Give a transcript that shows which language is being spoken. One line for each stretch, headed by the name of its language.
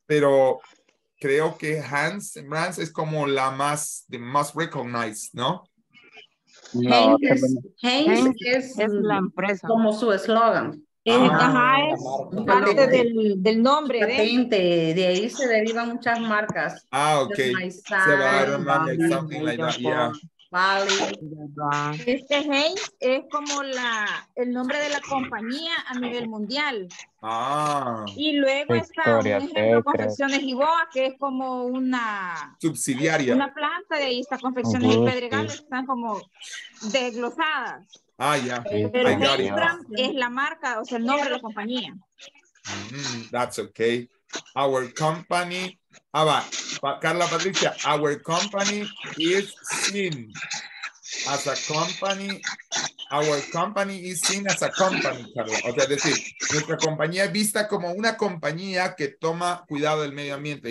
Spanish: Pero creo que Hans Brands es como la más,
English: the most recognized,
Spanish: ¿no? Hans es la empresa. Como su eslogan. Es parte del nombre de ahí se derivan muchas marcas. Ah, okay. Se va a armar
English: something like that. Yeah.
Spanish: Vale. Este Hayes es como la el nombre de la compañía a nivel mundial. Ah. Y luego está un ejemplo Confecciones Hiboa, que es como una subsidiaria. Una planta de ahí está Confecciones y Pedregal, que están como desglosadas.
English: Ah, yeah.
Spanish: Pero Hayes Brand es la marca, o sea, el nombre de la compañía.
English: Mm, that's okay. Our company. Ah, va. Carla Patricia, our company is seen as a company. Our company is seen as a company, Carla.
Spanish: O sea, es decir, nuestra compañía es vista como una compañía que toma cuidado del medio ambiente.